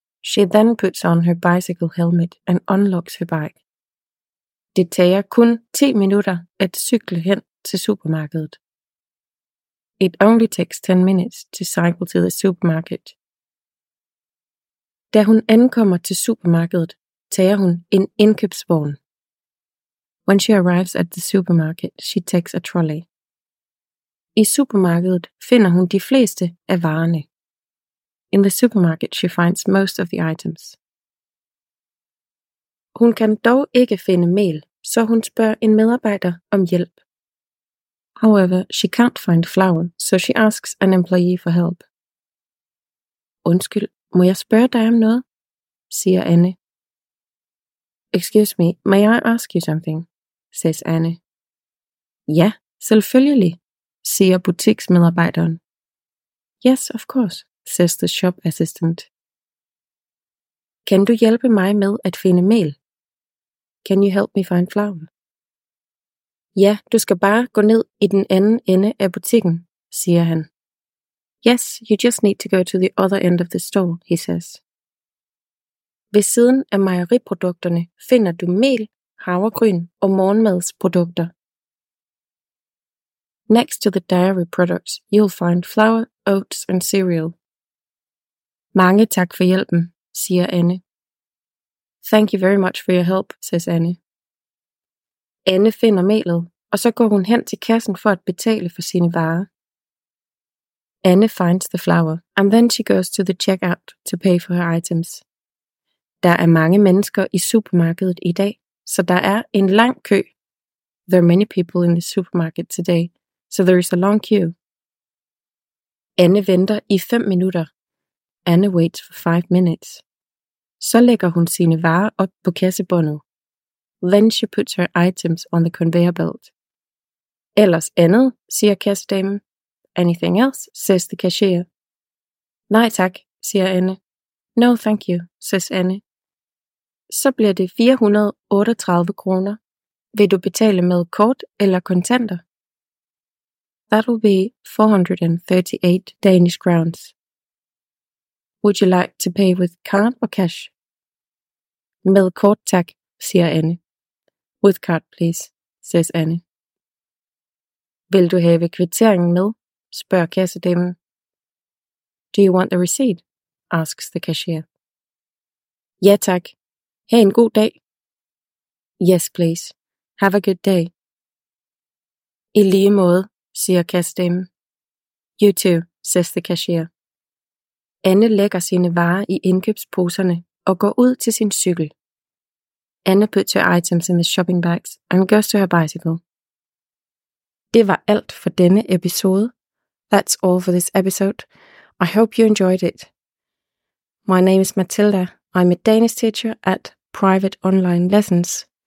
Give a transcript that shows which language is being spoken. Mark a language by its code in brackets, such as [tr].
[en] She then puts on her bicycle helmet and unlocks her bike. [da] Det tager kun 10 minutter at cykle hen til supermarkedet. [en] It only takes 10 minutes to cycle to the supermarket. [da] Da hun ankommer til supermarkedet, tager hun en indkøbsvogn. [en] When she arrives at the supermarket, she takes a trolley. [da] I supermarkedet finder hun de fleste af varerne. [en] In the supermarket, she finds most of the items. [da] Hun kan dog ikke finde mel, så hun spørger en medarbejder om hjælp. [en] However, she can't find flour, so she asks an employee for help. [da] Undskyld, må jeg spørge dig om noget? Siger Anne. [en] Excuse me, may I ask you something? Says Anne. [da] Ja, selvfølgelig, siger butiksmedarbejderen. [en] Yes, of course, says the shop assistant. [da] Kan du hjælpe mig med at finde mel? [en] Can you help me find flour? [da] Ja, du skal bare gå ned i den anden ende af butikken, siger han. [en] Yes, you just need to go to the other end of the store, he says. [da] Ved siden af mejeriprodukterne finder du mel, havregryn og morgenmadsprodukter. [en] Next to the dairy products, you'll find flour, oats and cereal. [da] Mange tak for hjælpen, siger Anne. [en] Thank you very much for your help, says Anne. [da] Anne finder melet, og så går hun hen til kassen for at betale for sine varer. [en] Anne finds the flour, and then she goes to the checkout to pay for her items. [da] Der er mange mennesker i supermarkedet i dag, så der er en lang kø. [en] There are many people in the supermarket today, so there is a long queue. [da] Anne venter i 5 minutter. [en] Anne waits for 5 minutes. [da] Så lægger hun sine varer op på kassebåndet. [en] Then she puts her items on the conveyor belt. [da] Ellers andet, siger kassedamen. [en] Anything else, says the cashier. [da] Nej tak, siger Anne. [en] No thank you, says Anne. [da] Så bliver det 438 kroner. Vil du betale med kort eller kontanter? [en] That will be 438 Danish crowns. Would you like to pay with card or cash? [da] Med kort, tak, siger Anne. [en] With card, please, says Anne. [da] Vil du have kvitteringen med? Spørger kassedamen. [en] Do you want the receipt? Asks the cashier. [da] Ja, tak. Ha' en god dag. [en] Yes, please. Have a good day. [da] I lige måde, siger kassedamen. [en] You too, says the cashier. [da] Anne lægger sine varer i indkøbsposerne og går ud til sin cykel. [en] Anne puts her items in the shopping bags and goes to her bicycle. [da] Det var alt for denne episode. [en] That's all for this episode. I hope you enjoyed it. My name is Matilda. I'm a Danish teacher at Private Online Lessons.